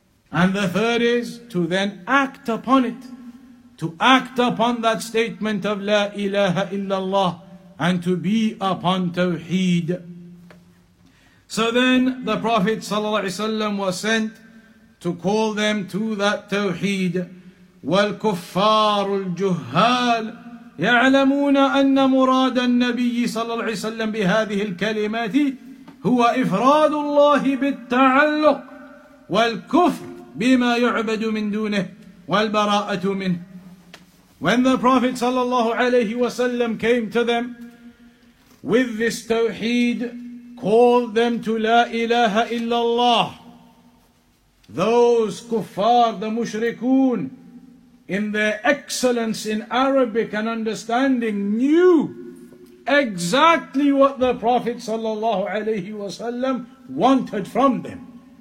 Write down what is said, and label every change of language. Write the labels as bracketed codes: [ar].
[en] And the third is to then act upon it, to act upon that statement of La ilaha illallah and to be upon Tawheed. So then the Prophet sallallahu alaihi wasallam was sent to call them to that Tawheed. [ar] Wal kuffaru al juhal يعلمون أن مراد النبي صلى الله عليه وسلم بهذه الكلمات هو إفراد الله بالتعلق والكفر بما يعبد من دونه والبراءة منه. [en] When the Prophet صلى الله عليه وسلم came to them with this tawheed, called them to [ar] لا إله إلا الله, [en] those kuffar, the mushrikun, in their excellence in Arabic and understanding, knew exactly what the Prophet sallallahu alayhi wasallam wanted from them.